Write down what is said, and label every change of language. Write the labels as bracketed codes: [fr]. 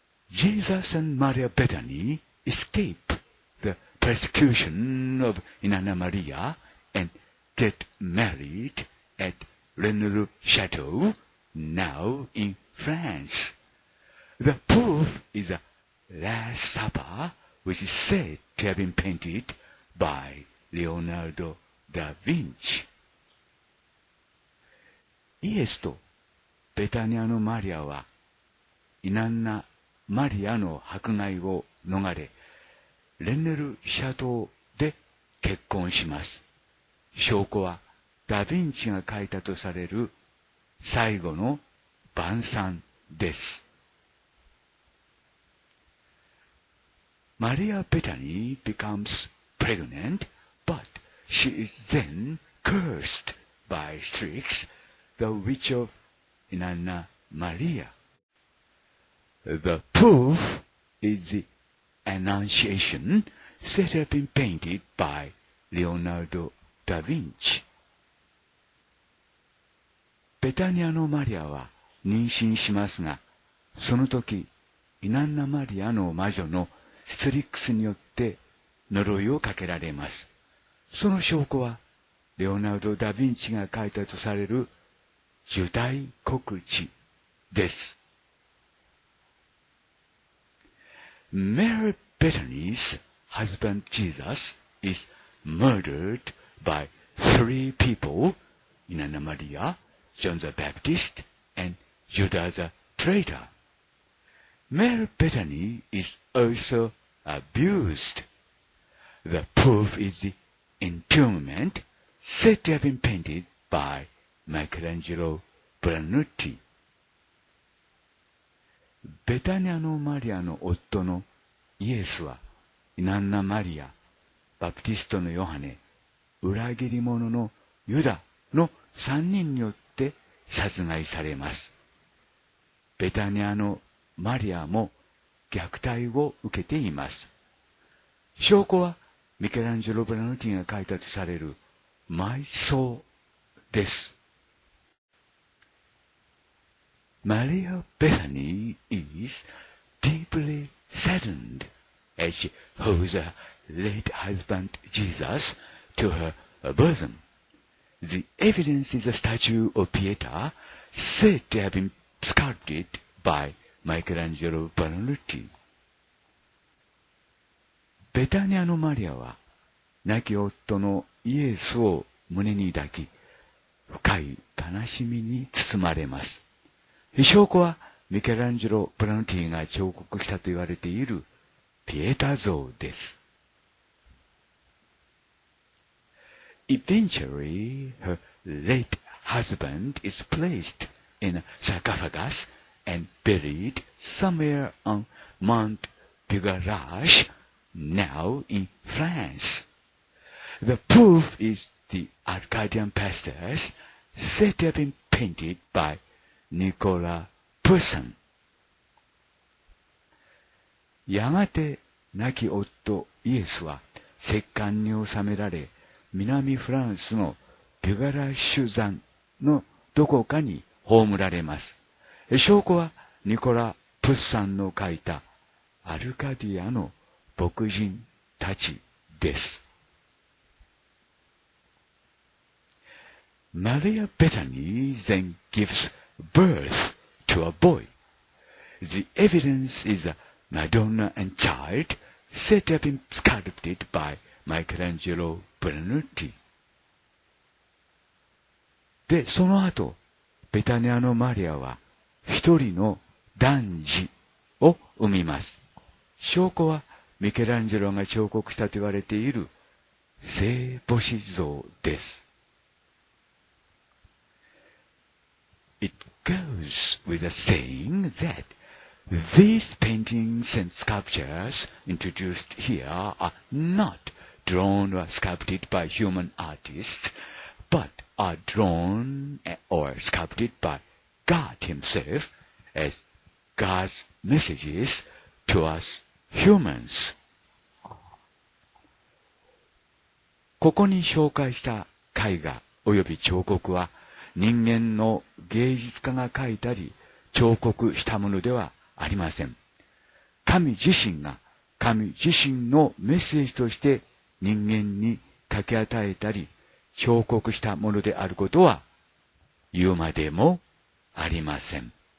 [en] Jesus and Maria Bethany escape the persecution of Inanna Maria and get married at Renel Chateau, now in France. The proof is the Last Supper, which is said to have been painted by Leonardo da Vinci. [ja] イエスとベタニアのマリアはイナンナ・マリアの迫害を逃れ、レンネル・シャトーで結婚します。証拠はダ・ヴィンチが書いたとされる最後の晩餐です。 [en] マリア・ベタニー becomes pregnant, but she is then cursed by Strix, the witch of Inanna Maria. The proof is the Annunciation set up and painted by Leonardo da Vinci. [ja] ベタニアのマリアは妊娠しますが、その時イナンナ・マリアの魔女のストリックスによって呪いをかけられます。その証拠はレオナルド・ダ・ヴィンチが書いたとされる受胎告知です。 [en] Mary Bethany's husband Jesus is murdered by three people, Inanna Maria, John the Baptist, and Judas the traitor. Mary Bethany is also abused. The proof is the entombment said to have been painted by Michelangelo Brunetti. [ja] ベタニアのマリアの夫のイエスは、イナンナ・マリア、バプティストのヨハネ、裏切り者のユダの三人によって殺害されます。ベタニアのマリアも虐待を受けています。証拠はミケランジェロ・ブラノティが書いたとされる埋葬です。 [en] マリア・ベタニー is deeply saddened as she holds her late husband Jesus to her bosom. The evidence is a statue of Pietà said to have been sculpted by Michelangelo Brunetti. [ja] ベタニアのマリアは亡き夫のイエスを胸に抱き、深い悲しみに包まれます。証拠はミケランジェロ・ブラノティが彫刻したと言われているピエタ像です。 [en] Eventually, her late husband is placed in a sarcophagus and buried somewhere on Mount Bugarache, now in France. The proof is the Arcadian pastures said to have been painted byNicola Poussin. [ja] やがて亡き夫イエスは石棺に納められ、南フランスのピュガラッシュ山のどこかに葬られます。証拠はニコラ・プッサンの書いたアルカディアの牧人たちです。 [en] マリア・ベタニー then gives birth to a boy. The evidence is a Madonna and Child set to have been sculpted by Michelangelo Brunetti. [ja] で、その後、ベタニアのマリアは一人の男児を産みます。証拠はミケランジェロが彫刻したと言われている聖母子像です。 [en] It goes with a saying that these paintings and sculptures introduced here are not drawn or sculpted by human artists, but are drawn or sculpted by God Himself as God's messages to us humans. [ja] ここに紹介した絵画及び彫刻は人間の芸術家が描いたり彫刻したものではありません。神自身のメッセージとして人間に書き与えたり彫刻したものであることは言うまでもありません。